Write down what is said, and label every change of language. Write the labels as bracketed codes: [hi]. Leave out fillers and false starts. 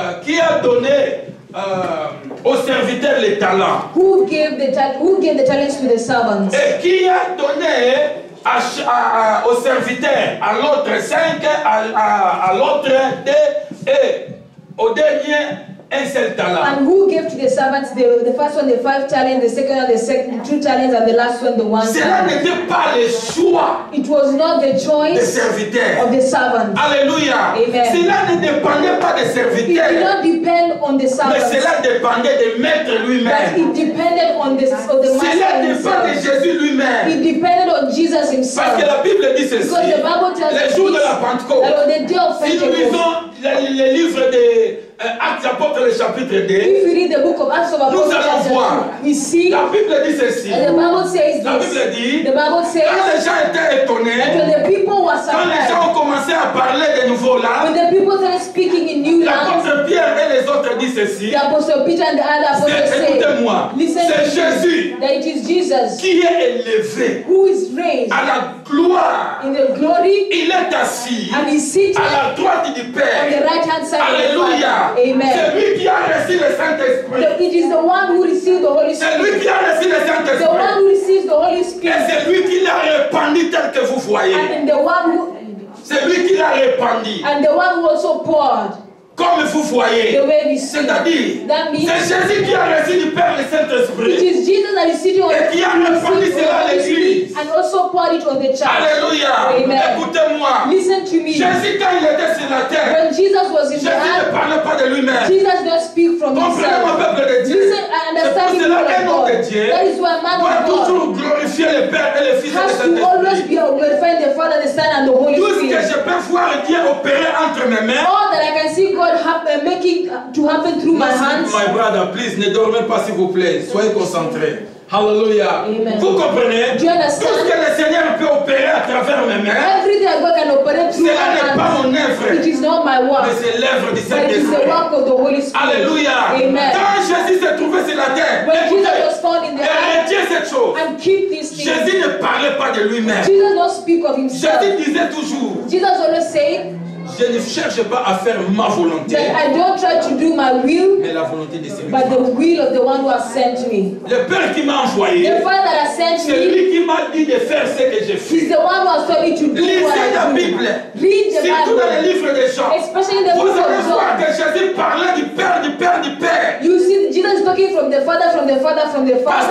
[fr] Qui a donné aux serviteurs les talents? [en] Who gave the talents to the servants? [fr] Et qui a donné au serviteur, à l'autre 5, à l'autre 2, et au dernier un seul talent? [en] And who gave to the servants the first one the 5 talents, the second one the 2 talents, and the last one the 1 [fr] Cela n'était pas le choix. [en] It was not the choice [fr] des serviteurs. [en] Of the servants. [fr] Alléluia. [en] Amen. [fr] Cela ne dépendait pas des serviteurs. [en] It did not depend on the servants. [fr] Mais cela dépendait de maître lui-même. [en] But it depended on the master. [fr] Cela dépendait de Jésus lui-même. [en] It depended on Jesus himself. [fr] Parce que la Bible dit ceci. [en] Because the Bible tells [fr] les jours de la Pentecôte. [en] That on the day of Pentecôte. [fr] Si nous lisons le livre de Actes apôtre chapitre 2. [en] If you read the book of Acts of Apostles, [fr] nous allons voir. [en] We see. [fr] La Bible dit ceci. [en] And the Bible says this. [fr] La Bible dit. [en] The Bible says. [fr] Quand les gens étaient étonnés. [en] And when the people were surprised. [fr] Quand les gens ont commencé à parler de nouveau là. [en] When the people started speaking in new language. [fr] L'apôtre Pierre et les autres disent ceci. [en] The apostle Peter and the other apostles say. [fr] Écoutez-moi. [en] Listen to me. [fr] C'est Jésus. [en] That it is Jesus. [fr] Qui est élevé. [en] Who is raised. [fr] À la gloire. [en] In the glory. [fr] Il est assis. [en] And he sits. [fr] À la droite du Père. [en] On the right hand side. [fr] Alléluia. [en] Amen. [fr] C'est lui qui a reçu le Saint-Esprit. [en] It is the one who received the Holy Spirit. [fr] C'est lui qui a reçu le Saint-Esprit. [en] The one who received the Holy Spirit. [fr] Et c'est lui qui l'a répandu tel que vous voyez. [en] And the one who. [fr] C'est lui qui l'a répandu. [en] And the one who also poured. [fr] Comme vous voyez. [en] The way we see. [fr] C'est-à-dire. [en] That means. [fr] C'est Jésus qui a reçu du Père le Saint-Esprit. [en] It is Jesus that received it. [fr] Et qui a répandu cela à l'Église. [en] And also poured it on the church. [fr] Alléluia. [en] Amen. [fr] Écoutez-moi. [en] Listen to me. [fr] Jésus quand il était sur la terre. [en] When Jesus was in [fr] Jésus [en] the earth. [fr] Jésus ne parlait pas de lui-même. [en] Jesus does speak from [fr] comprenez [en] himself. [fr] Comprenez mon peuple de Dieu. [en] Listen, I understand [fr] c'est pour cela un homme de Dieu. [en] That is why man of God. [fr] Doit toujours glorifier le Père et le Fils et le Saint-Esprit. [en] Has to always be glorifying the Father, the Son, and the Holy [fr] tout [en] Spirit. [fr] Tout ce que je peux voir Dieu opérer entre mes mains. [en] All that I can see God making to happen through my hands. My brother, please, [fr] ne dormez pas s'il vous plaît. Soyez concentré. Hallelujah. [en] Amen. [fr] Vous comprenez? Tout ce que le Seigneur peut opérer à travers mes mains. [en] Everything God can operate through [fr] cela [en] my hands. [fr] Cela n'est pas mon œuvre. [en] It is not my work. [fr] Mais c'est l'œuvre du Saint-Esprit. [en] It is the work of the Holy Spirit. [fr] Hallelujah. [en] Amen. [fr] Quand Jésus s'est trouvé sur la terre, [en] when Jesus was found in the earth, [fr] retiens cette chose. [en] And keep these things. [fr] Jésus ne parlait pas de lui-même. [en] Jesus does not speak of himself. [fr] Jésus disait toujours. [en] Jesus always said. [fr] Je ne cherche pas à faire ma volonté. [en] That I don't try to do my will, [fr] mais la volonté de celui [en] but the will of the one who has sent me. [fr] Le Père qui m'a envoyé. [en] The Father that has sent [fr] c'est [en] me. [fr] C'est lui qui m'a dit de faire ce que je fais. [en] He's the one who has told me to do [fr] lisez [en] what I do. [fr] Lisez la Bible. [en] Read the Bible. [fr] Surtout dans les livres des Jean. [en] Especially in the book of John. [fr] Vous allez voir que Jésus parlait du Père, du Père, du Père. [en] You see, Jesus is talking from the Father, from the Father, from the Father.